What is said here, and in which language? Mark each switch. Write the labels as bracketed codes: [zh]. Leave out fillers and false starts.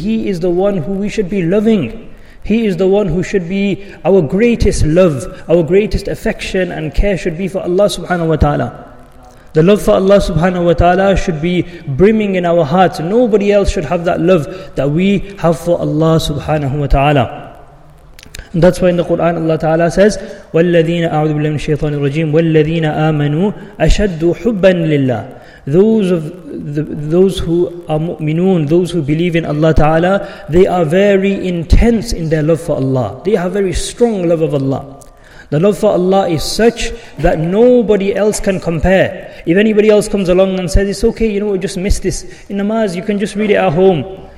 [en] He is the one who we should be loving. He is the one who should be our greatest love, our greatest affection and care should be for Allah subhanahu wa ta'ala. The love for Allah subhanahu wa ta'ala should be brimming in our hearts. Nobody else should have that love that we have for Allah subhanahu wa ta'ala. And that's why in the Quran Allah Ta'ala says, [ar] وَالَّذِينَ أَعُوذُ بِاللَّهِ مِنَ الشَّيْطَانِ الرَّجِيمِ وَالَّذِينَ آمَنُوا أَشَدُّ حُبًّا لِلَّهِ. [en] Those who are mu'minun, those who believe in Allah Ta'ala, they are very intense in their love for Allah. They have very strong love of Allah. The love for Allah is such that nobody else can compare. If anybody else comes along and says, it's okay, you know, we just missed this. In namaz, you can just read it at home.